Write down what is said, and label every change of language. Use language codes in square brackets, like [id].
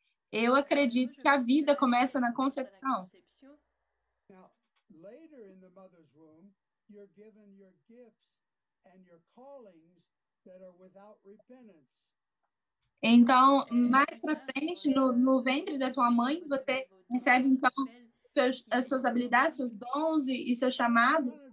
[pt] Eu acredito que a vida começa na concepção. [en] Now, later in the mother's womb, you're given your gifts and your callings that are without repentance. [pt] Então, mais para frente, no ventre da tua mãe, você recebe, então, as suas habilidades, seus dons e seu chamado.